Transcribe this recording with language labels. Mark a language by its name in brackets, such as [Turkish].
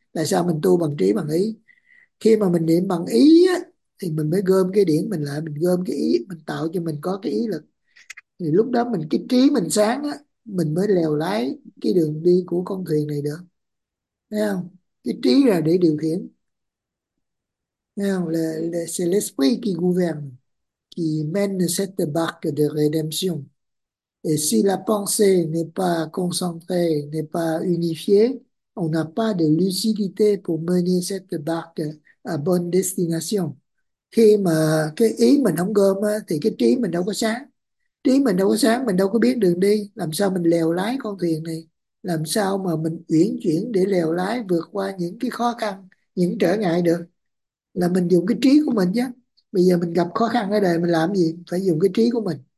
[Vietnamese] Tại sao mình tu bằng trí bằng ý? Khi mà mình niệm bằng ý á, thì mình mới gom cái điển mình lại, mình gom cái ý, mình tạo cho mình có cái ý lực. Thì lúc đó mình cái trí mình sáng á, mình mới lèo lái cái đường đi của con thuyền này được. Thấy không? Cái trí là để điều khiển. Thấy không? [French] Là c'est l'esprit qui gouverne, qui mène cette barque de rédemption. Et si la pensée n'est pas concentrée, n'est pas unifiée, on n'a pas de lucidité pour mener cette barque à bonne destination. [Vietnamese] Khi mà cái ý mình không gom á, thì cái trí mình đâu có sáng. Trí mình đâu có sáng, mình đâu có biết đường đi. Làm sao mình lèo lái con thuyền này? Làm sao mà mình uyển chuyển để lèo lái vượt qua những cái khó khăn, những trở ngại được? Là mình dùng cái trí của mình chứ. Bây giờ mình gặp khó khăn ở đời mình làm gì? Phải dùng cái trí của mình.